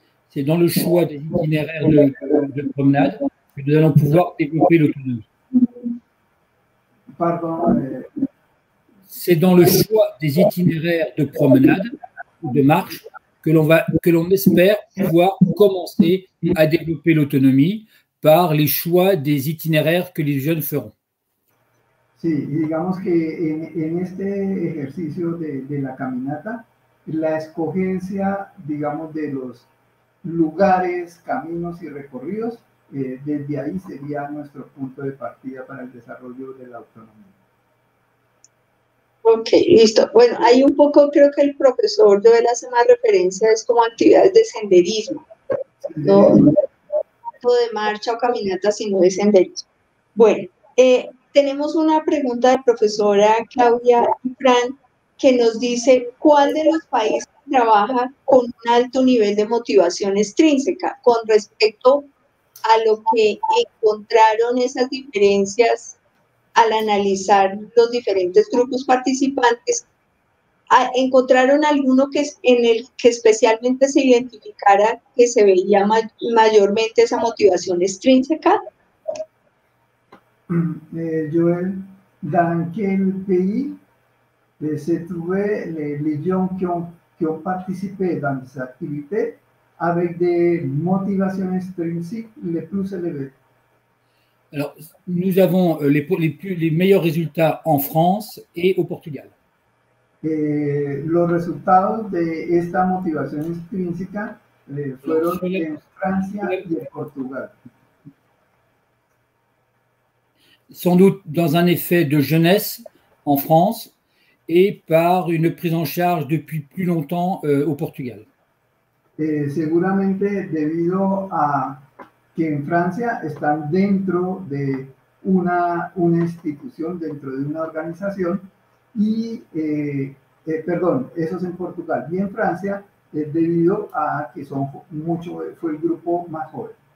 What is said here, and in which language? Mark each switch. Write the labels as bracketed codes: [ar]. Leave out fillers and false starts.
[fr] C'est dans le choix des itinéraires de promenade que nous allons pouvoir développer l'autonomie. Pardon. C'est dans le choix des itinéraires de promenade ou de marche que l'on espère pouvoir commencer à développer l'autonomie par les choix des itinéraires que les jeunes feront. [es] Sí, digamos que en este ejercicio de la caminata, la escogencia, digamos, de los lugares, caminos y recorridos, desde ahí sería nuestro punto de partida para el desarrollo de la autonomía. Ok, listo. Bueno, hay un poco, creo que el profesor yo le hace más referencia, es como actividades de senderismo, no tanto de marcha o caminata, sino de senderismo. Bueno, tenemos una pregunta de profesora Claudia Fran, que nos dice, ¿cuál de los países trabaja con un alto nivel de motivación extrínseca con respecto a lo que encontraron esas diferencias al analizar los diferentes grupos participantes? ¿Encontraron alguno que, en el que especialmente se identificara que se veía mayormente esa motivación extrínseca? [fr] Joel, Daniel P.I., se trouvé les gens qui ont participé dans des activités avec des motivations extrinsiques les plus élevées. Alors, nous avons les meilleurs résultats en France et au Portugal. Les résultats de cette motivation extrinsique furent en France et au Portugal. Sans doute dans un effet de jeunesse en France, et par une prise en charge depuis plus longtemps au Portugal. [es] Seguramente debido a que en Francia están dentro de una institución, dentro de una organización, y perdón, eso es en Portugal, y en Francia es debido a que son mucho, fue el grupo más joven.